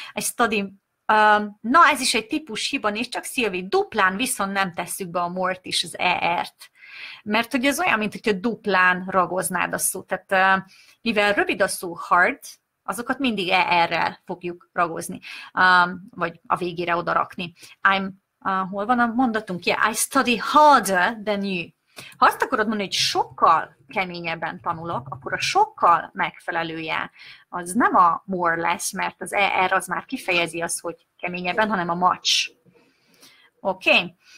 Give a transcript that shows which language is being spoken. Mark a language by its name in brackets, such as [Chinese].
[Hungarian] Egy study, na, ez is egy típus hiba, és csak Szilvi, duplán viszont nem tesszük be a more-t is, az er-t. Mert ugye ez olyan, mint hogyha duplán ragoznád a szót. Tehát mivel rövid a szó hard, azokat mindig er-rel fogjuk ragozni, vagy a végére odarakni. I'm, hol van a mondatunk? [English] Yeah, I study harder than you. [Hungarian] Ha azt akarod mondani, hogy sokkal keményebben tanulok, akkor a sokkal megfelelője az nem a more lesz, mert az er az már kifejezi azt, hogy keményebben, hanem a much. Oké.